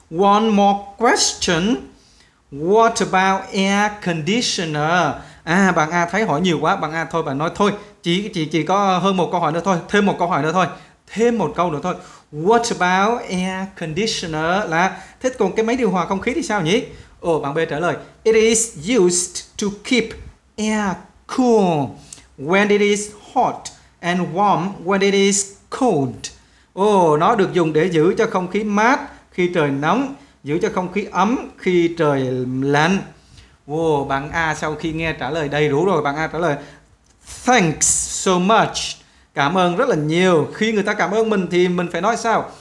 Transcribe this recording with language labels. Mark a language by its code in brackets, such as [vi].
[en] One more question. What about air conditioner? [vi] À, bạn A thấy hỏi nhiều quá, bạn A thôi, bạn nói thôi. Chỉ có hơn một câu hỏi nữa thôi, thêm một câu hỏi nữa thôi, thêm một câu nữa thôi. [en] What about air conditioner? [vi] Là thế còn cái máy điều hòa không khí thì sao nhỉ? Ồ, bạn B trả lời. [en] It is used to keep air cool when it is hot and warm when it is cold. [vi] Ồ, nó được dùng để giữ cho không khí mát khi trời nóng, giữ cho không khí ấm khi trời lạnh. Ồ, bạn A sau khi nghe trả lời đầy đủ rồi, bạn A trả lời [en] thanks so much. [vi] Cảm ơn rất là nhiều. Khi người ta cảm ơn mình thì mình phải nói sao?